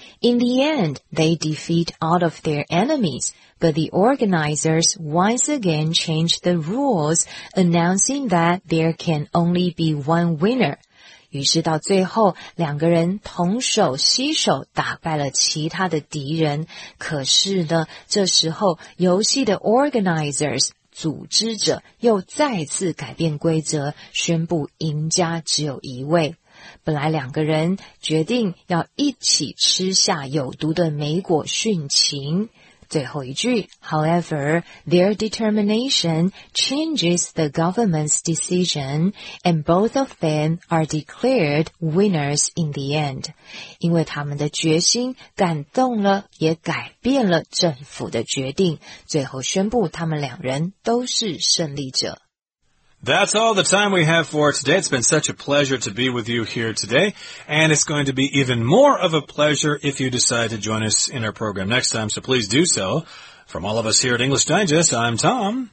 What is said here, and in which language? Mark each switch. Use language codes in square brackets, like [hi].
[en] In the end, they defeat all of their enemies, but the organizers once again change the rules, announcing that there can only be one winner. [zh] 于是到最后两个人同手携手打败了其他的敌人，可是呢这时候游戏的 organizers组织者又再次改变规则，宣布赢家只有一位。本来两个人决定要一起吃下有毒的莓果殉情。最后一句 [en] However, their determination changes the government's decision, and both of them are declared winners in the end. [zh] 因为他们的决心感动了，也改变了政府的决定，最后宣布他们两人都是胜利者。 [en] That's all the time we have for today. It's been such a pleasure to be with you here today, and it's going to be even more of a pleasure if you decide to join us in our program next time, so please do so. From all of us here at English Digest, I'm Tom.